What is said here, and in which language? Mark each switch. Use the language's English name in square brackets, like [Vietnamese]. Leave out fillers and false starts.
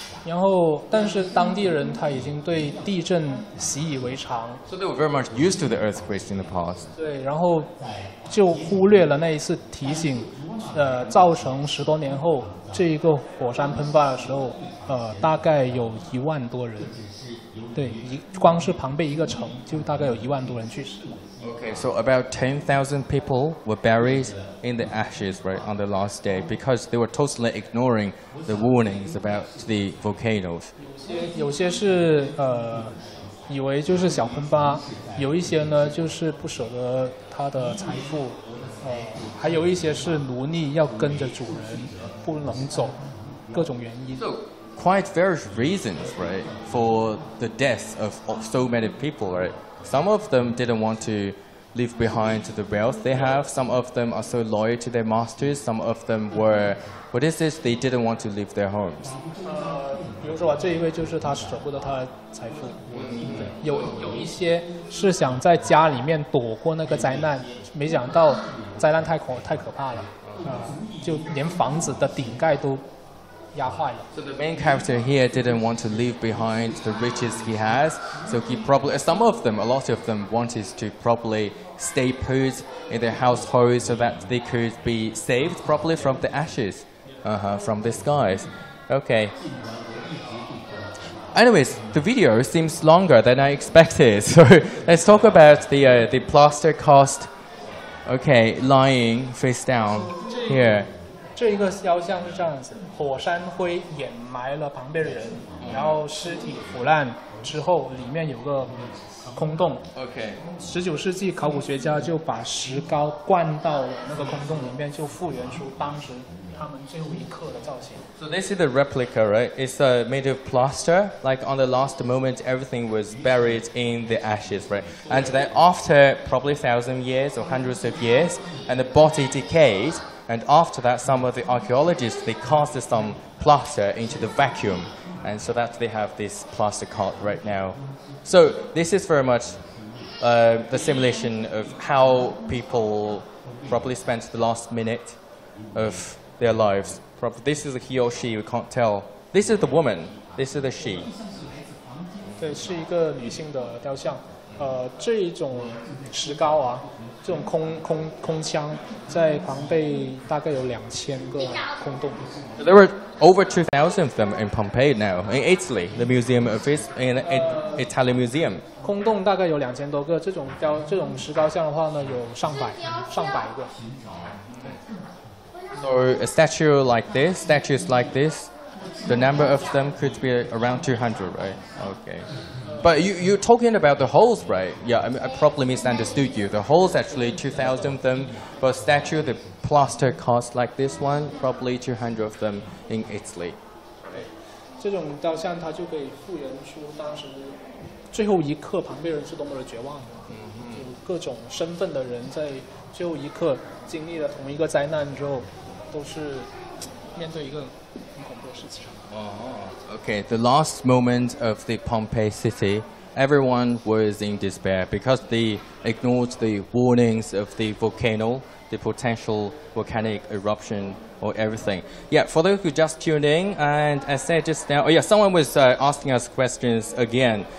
[Chinese] 然后，但是当地人他已经对地震习以为常。 [English] So they were very much used to the earthquakes in the past. [Chinese] 对，然后就忽略了那一次提醒，造成十多年后这一个火山喷发的时候，大概有10,000多人。对，光是庞贝一个城就大概有10,000多人去世。 [English] Okay, so about 10,000 people were buried in the ashes, right, on the last day, because they were totally ignoring the warnings about the volcanoes. [Chinese] 有些是以为就是小喷发，有一些呢就是不舍得他的财富，还有一些是奴隶要跟着主人不能走，各种原因。 [English] Quite various reasons, right, for the death of so many people, right? Some of them didn't want to leave behind the wealth they have. Some of them are so loyal to their masters. Some of them were, what is this? They didn't want to leave their homes. [Chinese] 比如说吧，这一位就是他舍不得他的财富。有一些是想在家里面躲过那个灾难，没想到灾难太可怕了，就连房子的顶盖都。 [English] So the main character here didn't want to leave behind the riches he has, so he probably, some of them, a lot of them wanted to probably stay put in their household so that they could be saved probably from the ashes, from the skies. Okay. Anyways, the video seems longer than I expected, so let's talk about the plaster cast, okay, lying face down here. [Chinese] 这一个肖像是这样子，火山灰掩埋了庞贝人，然后尸体腐烂之后，里面有个空洞。 [English] OK。 [Chinese] 19世纪考古学家就把石膏灌到那个空洞里面，就复原出当时他们最后一刻的造型。 [English] So this is the replica, right? It's made of plaster. Like on the last moment, everything was buried in the ashes, right? And then after probably 1,000 years or hundreds of years, and the body decayed. And after that, some of the archaeologists, they cast some plaster into the vacuum. And so that they have this plaster cut right now. So this is very much the simulation of how people probably spent the last minute of their lives. This is a he or she, we can't tell. This is the woman, this is the she. [Chinese] 对，是一个女性的雕像。这一种石膏啊。这种空腔在庞贝大概有2,000个空洞。 [English] There were over 2,000 of them in Pompeii now, in Italy, the Museum of Italian Museum. [Chinese] 空洞大概有2,000多个，这种石膏像的话呢，有上百个。 [English] So statues like this, the number of them could be around 200, right? Okay. But you're talking about the holes, right? Yeah, I mean, I probably misunderstood you. The holes actually 2,000 of them, but statue the plaster cast like this one, probably 200 of them in Italy. [Chinese] 这种雕像它就可以复原出当时最后一刻庞贝人是多么的绝望的，就各种身份的人在最后一刻经历了同一个灾难之后，都是面对一个很恐怖的事情。 [English] Okay, the last moment of the Pompeii city, everyone was in despair because they ignored the warnings of the volcano, the potential volcanic eruption, or everything. Yeah, for those who just tuned in, and I said just now, oh yeah, someone was asking us questions again.